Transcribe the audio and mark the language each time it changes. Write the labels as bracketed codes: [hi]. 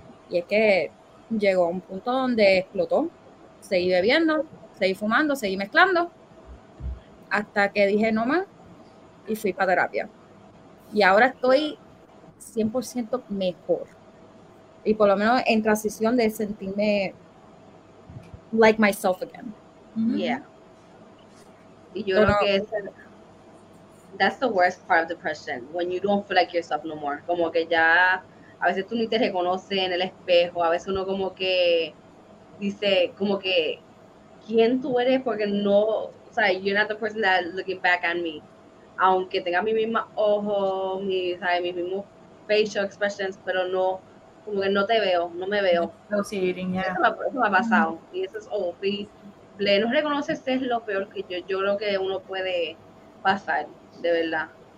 [es] Y es que llegó un punto donde explotó. Seguí bebiendo, seguí fumando, seguí mezclando. Hasta que dije no más y fui para terapia. Y ahora estoy 100% mejor. Y por lo menos en transición de sentirme like myself again. Mm-hmm. Yeah. [en] Y yo creo que that's the worst part of depression, when you don't feel like yourself no more. [es] Como que ya a veces tú ni te reconoces en el espejo, a veces uno como que dice, como que [en] quién tú eres, porque no, o sea, you're not the person that looking back at me. [es] Aunque tenga mi misma ojo, mi, ¿sabes? Mis mismos facial expressions, pero no, como que no te veo, no me veo. No, sí, yeah. Eso me ha pasado. Mm-hmm. Y eso es, oh, please, pleno reconoce, este es lo peor que yo creo que uno puede pasar, de verdad.